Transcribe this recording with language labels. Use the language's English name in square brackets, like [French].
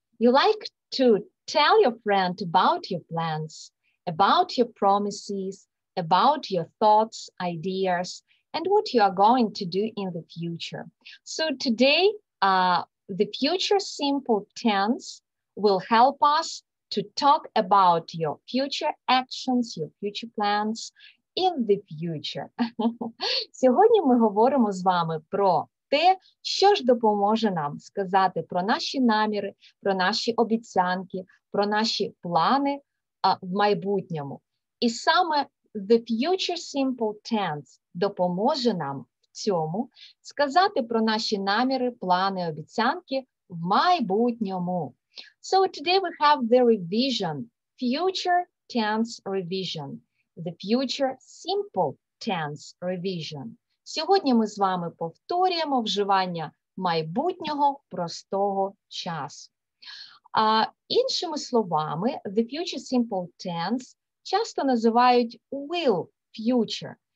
[English] You like to tell your friend about your plans, about your promises, about your thoughts, ideas, and what you are going to do in the future. So today, the future simple tense will help us to talk about your future actions, your future plans, in the future. [Ukrainian] Сьогодні ми говоримо з вами про те, що ж допоможе нам сказати про наші наміри, про наші обіцянки, про наші плани в майбутньому. І саме the future simple tense допоможе нам в цьому сказати про наші наміри, плани, обіцянки в майбутньому. [English] So today we have the revision, future tense revision. The future simple tense revision. [Ukrainian] Сьогодні ми з вами повторюємо вживання майбутнього простого часу. Іншими словами, the future simple tense часто називають will future.